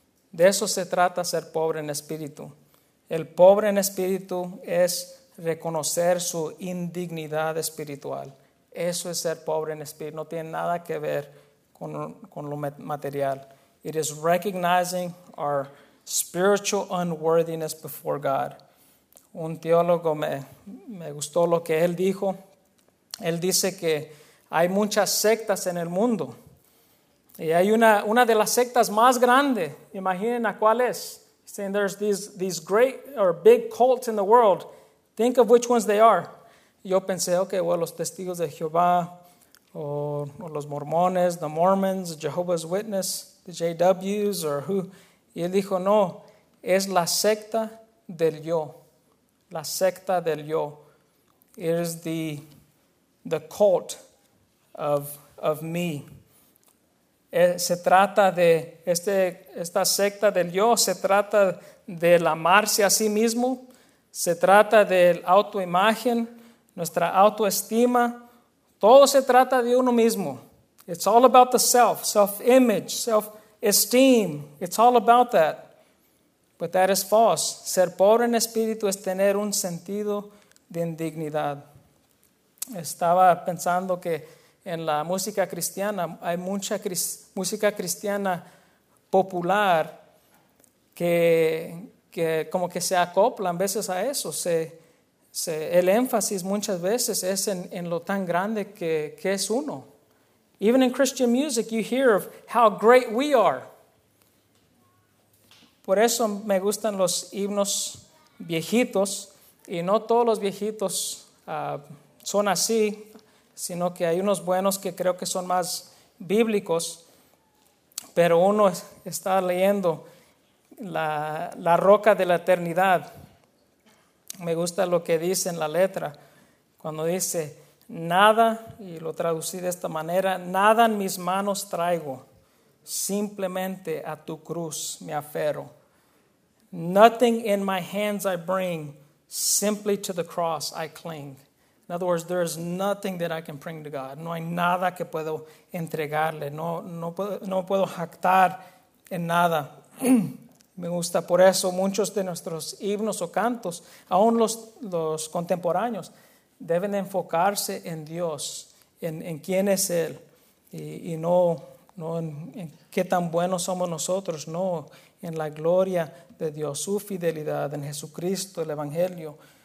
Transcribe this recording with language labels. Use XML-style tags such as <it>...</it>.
<es>De eso se trata ser pobre en espíritu. El pobre en espíritu es reconocer su indignidad espiritual. Eso es ser pobre en espíritu. No tiene nada que ver con lo material.</es> <en>It is recognizing our spiritual unworthiness before God.</en> <es>Un teólogo me gustó lo que él dijo. Él dice que hay muchas sectas en el mundo. Y hay una de las sectas más grande. Imaginen a cuál es.</es> <en>He's saying there's these great or big cults in the world. Think of which ones they are.</en> <es>Yo pensé, okay, well, los testigos de Jehová o los mormones,</es> <en>the Mormons, Jehovah's Witness, the JWs, or who.</en> <es>Y él dijo, no, es la secta del yo. La secta del yo.</es> <en>It is the cult of me.</en> <es>Se trata de esta secta del yo, se trata del amarse a sí mismo, se trata de la autoimagen, nuestra autoestima, todo se trata de uno mismo.</es> <en>It's all about the self, self-image, self-esteem, it's all about that. But that is false.</en> <es>Ser pobre en espíritu es tener un sentido de indignidad. Estaba pensando que en la música cristiana, hay mucha música cristiana popular que como que se acoplan veces a eso. El énfasis muchas veces es en lo tan grande que es uno.</es> <en>Even in Christian music, you hear of how great we are.</en> <es>Por eso me gustan los himnos viejitos, y no todos los viejitos son así, sino que hay unos buenos que creo que son más bíblicos. Pero uno está leyendo la roca de la eternidad. Me gusta lo que dice en la letra, cuando dice, nada, y lo traducí de esta manera, nada en mis manos traigo, simplemente a tu cruz me aferro.</es> <en>Nothing in my hands I bring, simply to the cross I cling. In other words, there is nothing that I can bring to God.</en> <es>No hay nada que puedo entregarle. No puedo jactar en nada. Me gusta por eso muchos de nuestros himnos o cantos, aún los contemporáneos, deben enfocarse en Dios, en quién es Él, y no en qué tan buenos somos nosotros, no, en la gloria de Dios, su fidelidad, en Jesucristo, el Evangelio.</es>